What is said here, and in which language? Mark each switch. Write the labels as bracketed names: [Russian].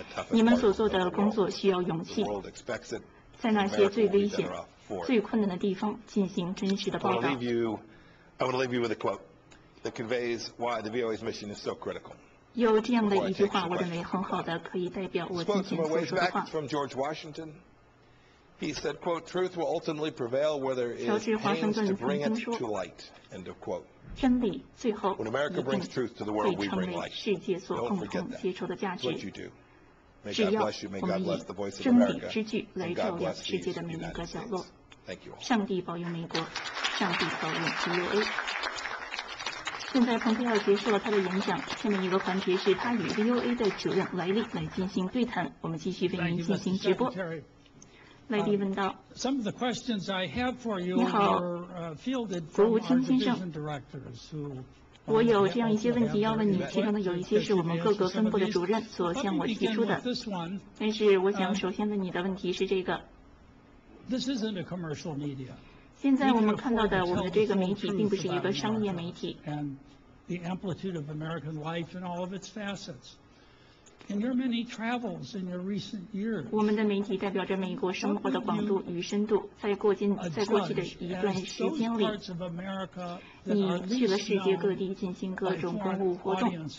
[Chinese] 你们所做的工作需要勇气，在那些最危险、最困难的地方进行真实的报道。 [English] I want to leave you with a quote that conveys why the VOA's mission is so critical. [Chinese] 有这样的一句话，我认为很好的，可以代表我今天所说的话。 [English] From George Washington, he said, quote, "Truth will ultimately prevail where there is pains to bring it to light." End of quote. [Chinese] 真理最后一定会成为世界所共同接受的价值。只要我们以真理之炬来照亮世界的每一个角落。上帝保佑美国，上帝保佑 VOA。现在蓬佩奥结束了他的演讲，下面一个环节是他与 VOA 的主任莱利来进行对谈。我们继续为您进行直播。莱利问道， [English] some of the questions I have for you are fielded from our division directors who [Chinese] 我有这样一些问题要问你，其中的有一些是我们各个分部的主任所向我提出的。但是我想首先问你的问题是这个。 [English] This isn't a commercial media. [Chinese] 现在我们看到的我们的这个媒体并不是一个商业媒体。 [English] And the amplitude of American life in all of its facets. In your many travels in your recent years, [Chinese] 我们的媒体代表着美国生活的广度与深度。在过去的一段时间里，你去了世界各地进行各种公务活动。